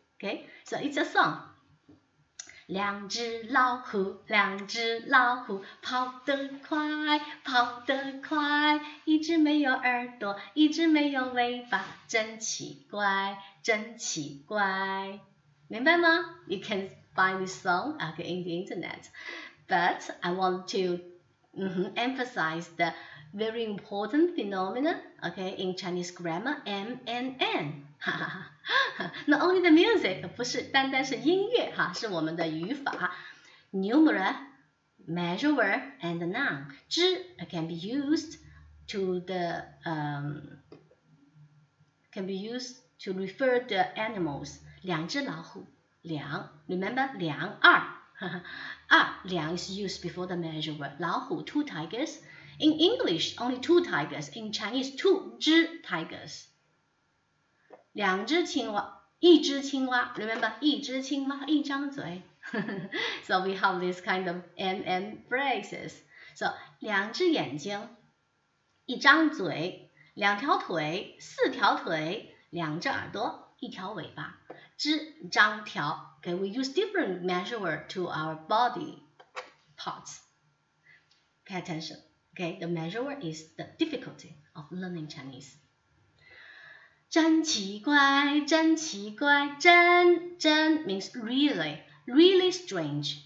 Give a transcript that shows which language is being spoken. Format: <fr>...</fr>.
<en>Okay, so it's a song.</en> <zh>两只老虎，两只老虎跑得快，跑得快。一只没有耳朵，一只没有尾巴，真奇怪，真奇怪。明白吗</zh> <en>？You can find this song in the internet, but I want to emphasize the. Very important phenomena, in Chinese grammar, M and N. Not only the music,</en> <zh>不是单单是音乐哈，是我们的语法</zh> <en>Numeral, measurer, and noun. 之 can be used to the can be used to refer the animals.</en> <zh>两只老虎，</zh> <en>两 remember 两二二两 is used before the measurer. 老虎 two tigers. In English, only two tigers. In Chinese, 2只 tigers.</en> <zh>两只青蛙，一只青蛙。</zh> <en>Remember,</en> <zh>一只青蛙，一张嘴。</zh> <en>So we have this kind of MM phrases.</en> <zh>So, 两只眼睛，一张嘴，两条腿，四条腿，两只耳朵，一条尾巴，只张条。</zh> <en>Okay, we use different measure to our body parts. Pay attention. Okay, the measure is the difficulty of learning Chinese.</en> <zh>真奇怪，真奇怪，真真</zh> <en>means really, really strange.</en>